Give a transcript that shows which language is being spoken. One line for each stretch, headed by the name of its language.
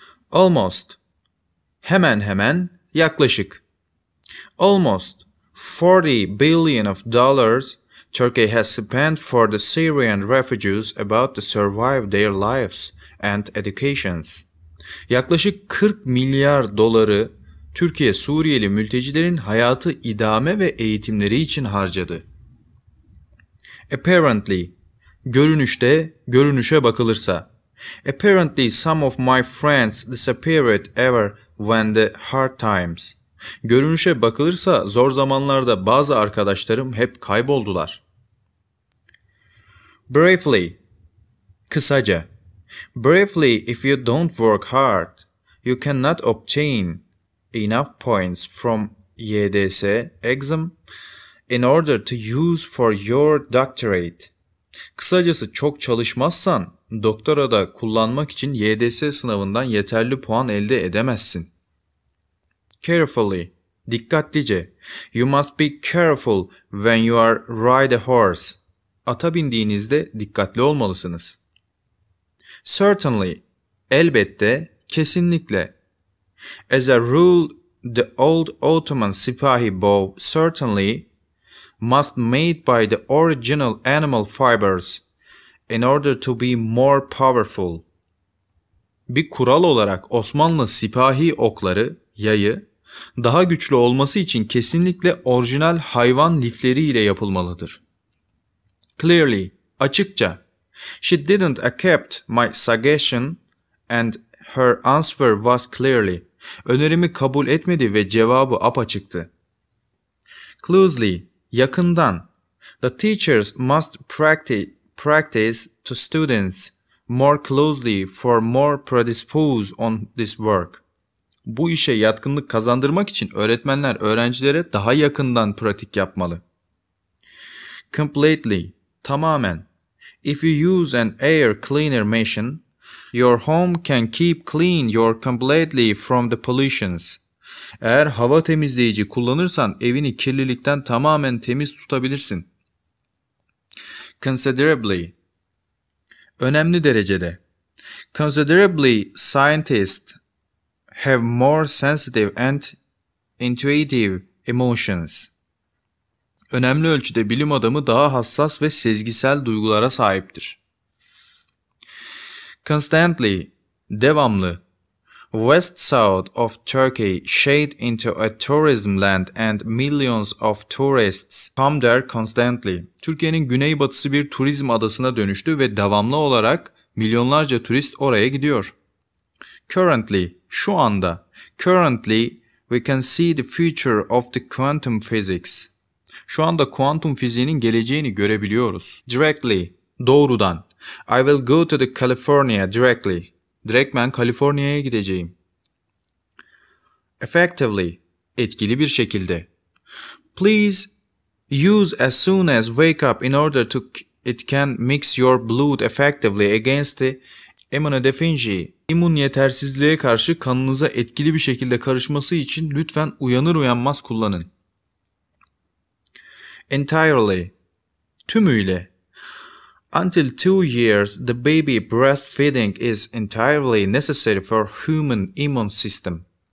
Turkish: Almost, hemen hemen, yaklaşık.
English: Almost 40 billion of dollars Turkey has spent for the Syrian refugees about to survive their lives and educations.
Turkish: Yaklaşık 40 milyar doları Türkiye Suriyeli mültecilerin hayatı idame ve eğitimleri için harcadı.
English: Apparently, görünüşte,
Turkish: görünüşe bakılırsa.
English: Apparently some of my friends disappeared ever when the hard times.
Turkish: Görünüşe bakılırsa zor zamanlarda bazı arkadaşlarım hep kayboldular.
English: Briefly,
Turkish: kısaca.
English: Briefly, if you don't work hard, you cannot obtain enough points from YDS exam in order to use for your doctorate.
Turkish: Kısacası çok çalışmazsan doktora da kullanmak için YDS sınavından yeterli puan elde edemezsin.
English: Carefully, dikkatlice. You must be careful when you are ride a horse.
Turkish: Ata bindiğinizde dikkatli olmalısınız. Certainly, elbette, kesinlikle.
English: As a rule, the old Ottoman sipahi bow certainly must made by the original animal fibers in order to be more powerful.
Turkish: Bir kural olarak Osmanlı sipahi okları, yayı, daha güçlü olması için kesinlikle orijinal hayvan lifleriyle yapılmalıdır.
English: Clearly, açıkça. She didn't accept my suggestion and her answer was clearly.
Turkish: Önerimi kabul etmedi ve cevabı apaçıktı.
English: Closely, yakından. The teachers must practice to students more closely for more predispose on this work.
Turkish: Bu işe yatkınlık kazandırmak için öğretmenler öğrencilere daha yakından pratik yapmalı.
English: Completely, tamamen. If you use an air cleaner machine, your home can keep clean your completely from the pollutions.
Turkish: Eğer hava temizleyici kullanırsan evini kirlilikten tamamen temiz tutabilirsin.
English: Considerably.
Turkish: Önemli derecede.
English: Considerably, scientists have more sensitive and intuitive emotions.
Turkish: Önemli ölçüde bilim adamı daha hassas ve sezgisel duygulara sahiptir.
English: Constantly, devamlı. West south of Turkey shade into a tourism land and millions of tourists come there constantly.
Turkish: Türkiye'nin güneybatısı bir turizm adasına dönüştü ve devamlı olarak milyonlarca turist oraya gidiyor. Currently, şu anda.
English: Currently, we can see the future of the quantum physics.
Turkish: Şu anda kuantum fiziğinin geleceğini görebiliyoruz.
English: Directly,
Turkish: doğrudan.
English: I will go to the California directly.
Turkish: Direktmen Kaliforniya'ya gideceğim.
English: Effectively,
Turkish: etkili bir şekilde.
English: Please use as soon as wake up in order to it can mix your blood effectively against the immunodeficiency.
Turkish: İmmün yetersizliğe karşı kanınıza etkili bir şekilde karışması için lütfen uyanır uyanmaz kullanın.
English: Entirely,
Turkish: tümüyle.
English: Until 2 years, the baby breastfeeding is entirely necessary for human immune system.